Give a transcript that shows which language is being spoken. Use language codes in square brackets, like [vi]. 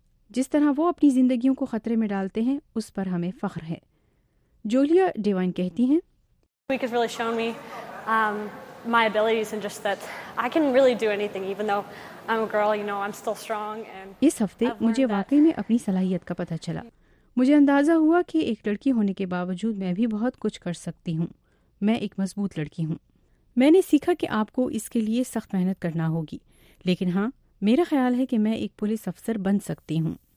[ur] جس طرح وہ اپنی زندگیوں کو خطرے میں ڈالتے ہیں اس پر ہمیں فخر ہے. جولیا ڈیوائن کہتی ہیں, [en] my abilities and just that I can really do anything even though I'm a girl, you know, I'm still strong and [ur] اس ہفتے مجھے واقعی میں اپنی صلاحیت کا پتہ چلا. مجھے اندازہ ہوا کہ ایک لڑکی ہونے کے باوجود میں بھی بہت کچھ کر سکتی ہوں. میں ایک مضبوط لڑکی ہوں. میں نے سیکھا کہ آپ کو اس کے لیے سخت محنت کرنا ہوگی, لیکن ہاں میرا خیال ہے کہ میں ایک پولیس افسر بن سکتی ہوں.